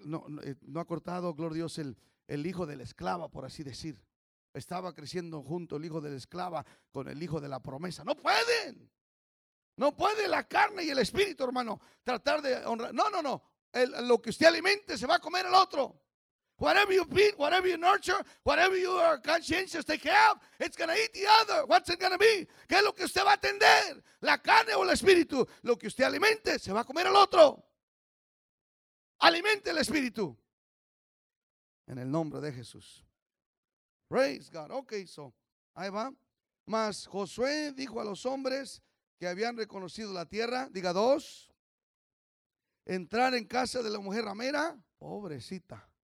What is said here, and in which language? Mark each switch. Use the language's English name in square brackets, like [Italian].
[Spanish] No ha cortado, gloria a Dios, el hijo de la esclava, por así decir. Estaba creciendo junto el hijo de la esclava con el hijo de la promesa. ¡No pueden! No puede la carne y el espíritu, hermano, tratar de honrar. No, no, no. Lo que usted alimente se va a comer el otro. [English] Whatever you feed, whatever you nurture, whatever you are conscientious, take care of, it's going to eat the other. What's it going to be? [Spanish] ¿Qué es lo que usted va a atender? ¿La carne o el espíritu? Lo que usted alimente, se va a comer al otro. Alimente el espíritu. En el nombre de Jesús. [English] Praise God. [Spanish] Okay, so, ahí va. Mas Josué dijo a los hombres que habían reconocido la tierra, diga dos, entrar en casa de la mujer ramera, pobrecita.